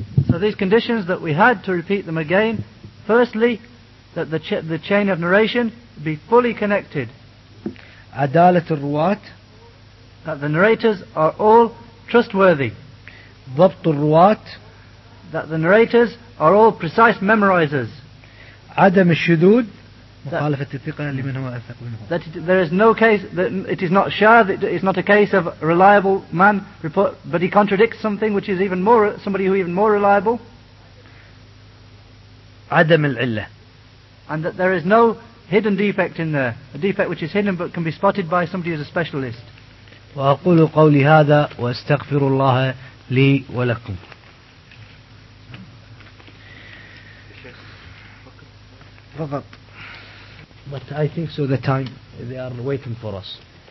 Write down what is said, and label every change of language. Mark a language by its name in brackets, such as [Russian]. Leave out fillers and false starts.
[English] So these conditions that we had to repeat them again. Firstly, that the chain of narration be fully connected. [Arabic] عدالة الرواة. [English] That the narrators are all trustworthy. [Arabic] ضبط الرواة. [English] That the narrators are all precise memorizers. [Arabic] عدم الشذوذ. مخالفة الثقة لمن هو أثق منه. [English] That there is no case that it is not shadh. It is not a case of reliable man report, but he contradicts something which is even more somebody who is even more reliable. [Arabic] عدم العلة. [English] And that there is no hidden defect in there, a defect which is hidden but can be spotted by somebody who is a specialist. [Arabic] وأقول قولي هذا وأستغفر الله لي ولكم. فقط. [English] But I think so the time, they are waiting for us.